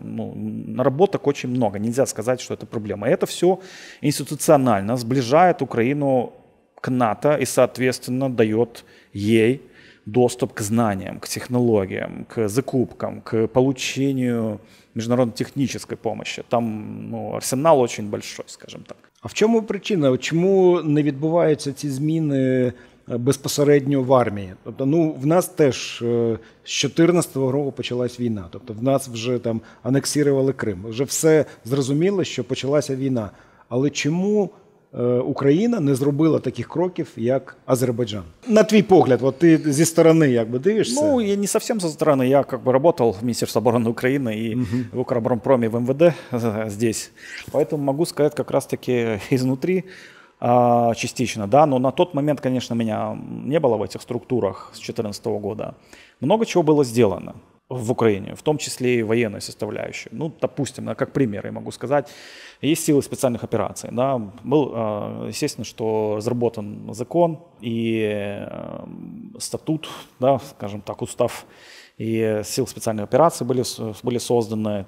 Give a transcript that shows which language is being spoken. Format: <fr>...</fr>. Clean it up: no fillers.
<ru>Ну, наработок очень много, нельзя сказать, что это проблема. Это все институционально сближает Украину к НАТО и, соответственно, дает ей доступ к знаниям, к технологиям, к закупкам, к получению</ru> <uk>міжнародно-технічної допомоги. Там, ну, арсенал дуже великий, скажімо так. А в чому причина? Чому не відбуваються ці зміни безпосередньо в армії? Тобто, ну, в нас теж з 14-го року почалась війна. Тобто, в нас вже там анексували Крим. Вже все зрозуміло, що почалася війна. Але чому Україна не зробила таких кроків, як Азербайджан? На твій погляд, от ти зі сторони якби дивишся? Ну, я не зовсім зі сторони. Я якби працював в Міністерстві оборони України і в Укроборонпромі, в МВД здесь. Тому можу сказати якраз таки ізнутрі частично. Да? Но на той момент, звісно, мене не було в цих структурах з 2014 року.</uk> <ru>Много чого було зроблено в Украине, в том числе и военную составляющую. Ну, допустим, как пример я могу сказать, есть силы специальных операций. Да, был, естественно, что разработан закон и статут, да, скажем так, устав, и силы специальных операций были созданы.</ru>